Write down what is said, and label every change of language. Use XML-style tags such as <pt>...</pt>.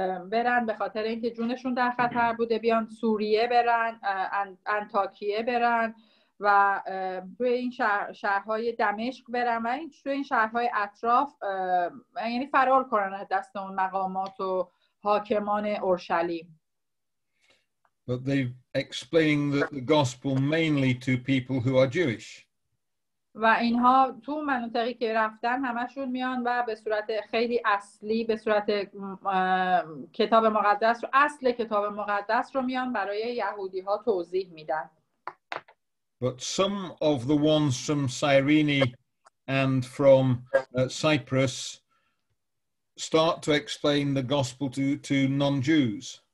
<fa>برن به خاطر اینکه جونشون در خطر بوده بیان سوریه برن انتاکیه برن و توی این شهرهای دمشق برن و این توی این شهرهای اطراف یعنی فرار کنن از دست اون مقامات و حاکمان اورشلیم.</fa> <en>But they explaining the gospel mainly to people who are Jewish.</en> <fa>و اینها تو منطقی که رفتن همشون میان و به صورت خیلی اصلی به صورت کتاب مقدس رو اصل کتاب مقدس رو میان برای یهودی ها توضیح میدن.</fa> <en>But some of the ones from Cyrene and from Cyprus start to explain the gospel to non-Jews.</en>